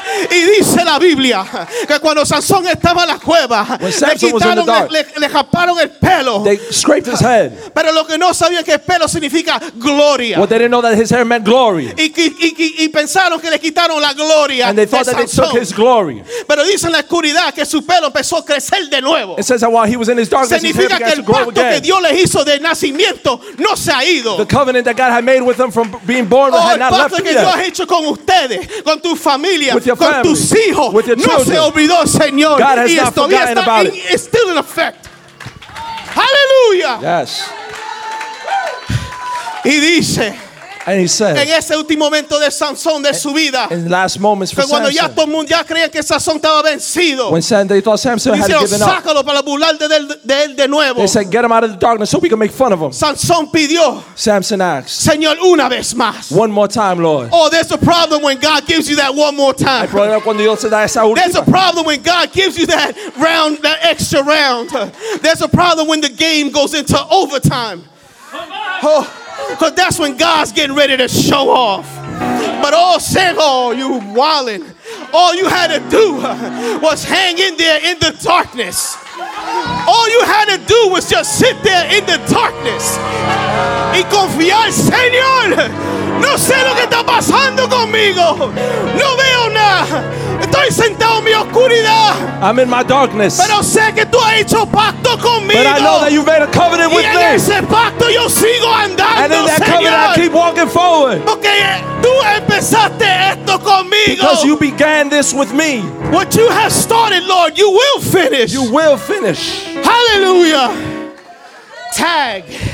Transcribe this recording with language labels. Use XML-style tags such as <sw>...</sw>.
<es>Y dice la Biblia que cuando Sansón estaba en la cueva le quitaron le japaron el pelo.</es> <en>They scraped his head.</en> <es>Pero lo que no sabían que el pelo significa gloria.</es> <en>Well, they didn't know that his hair meant glory.</en> <es>Y pensaron que le quitaron la gloria.</es> <en>And they thought that they took his glory.</en> <es>Pero dice en la oscuridad que su pelo empezó a crecer de nuevo.</es> <en>It says that while he was in his darkness,</en> <es>significa</es> <en>his hair began to grow again.</en> <es>Que Dios le hizo de nacimiento no se ha ido.</es> <en>The covenant that God had made with them from being born had not left.</en> <es>Que Dios ha hecho con ustedes, con tu familia.</es> <en>With your family,</en> <es>tus hijos,</es> <en>with your children.</en> <es>No se olvidó, Señor.</es> <en>God has</en> <es>y</es> <en>not forgotten about it. It's still in effect. Hallelujah. Yes.</en> <es>Y dice,</es> <en>and he said,</en> <es>en ese último momento de Sansón de su vida,</es> <en>in the last moments for</en> <es>Samson, ya todo mundo ya creía que Sansón estaba vencido,</es> <en>when they thought Samson had</en> <es>dijeron,</es> <en>given up,</en> <es>sácalo para burlar de él de nuevo.</es> <en>They said, get him out of the darkness so we can make fun of him.</en> <es>Sansón pidió,</es> <en>Samson asked,</en> <es>Señor, una vez más,</es> <en>one more time, Lord. Oh, there's a problem when God gives you that one more time. There's a problem when God gives you that round, that extra round. There's a problem when the game goes into overtime. Oh. Because that's when God's getting ready to show off. But oh, Samson, you wildin'. All you had to do was hang in there in the darkness. All you had to do was just sit there in the darkness.</en> <es>Y confiar, Señor. No sé lo que está pasando conmigo. No veo nada. Estoy sentado en mi oscuridad.</es> <en>I'm in my darkness.</en> <es>Pero sé que tú has hecho pacto conmigo.</es> <en>But I know that you've made a covenant with me.</en> <es>Y en ese pacto yo sigo andando,</es> <en>and in that</en> <es>Señor.</es> <en>Covenant I keep walking forward.</en> <es>Porque tú empezaste esto conmigo.</es> <en>Because you began this with me. What you have started, Lord, you will finish. You will finish. Hallelujah. Tag.</en>